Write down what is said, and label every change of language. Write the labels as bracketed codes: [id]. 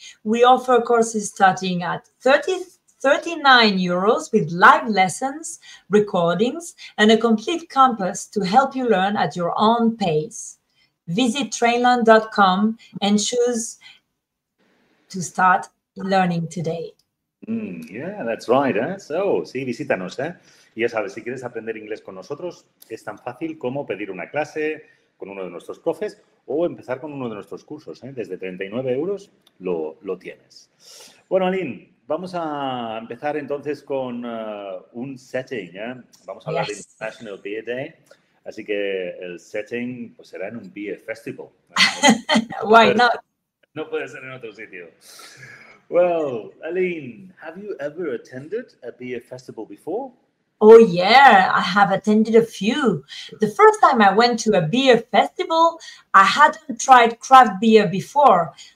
[en] We offer courses starting at 39 euros with live lessons, recordings, and a complete campus to help you learn at your own pace. Visit trainland.com and choose to start learning today. Yeah, that's right. So, [es] sí, visítanos. Ya sabes, si quieres aprender inglés con nosotros, es tan fácil como pedir una clase con uno de nuestros profes o empezar con uno de nuestros cursos. Desde 39 euros lo tienes. Bueno, Aline, vamos a empezar entonces con un setting. Vamos a hablar de International Beer Day. Así que el setting pues será en un beer festival. [en] Why not? [es] No puede ser en otro sitio. [en] Well, Aline, have you ever attended a beer festival before? Oh, yeah, I have attended a few. The first time I went to a beer festival, I hadn't tried craft beer before.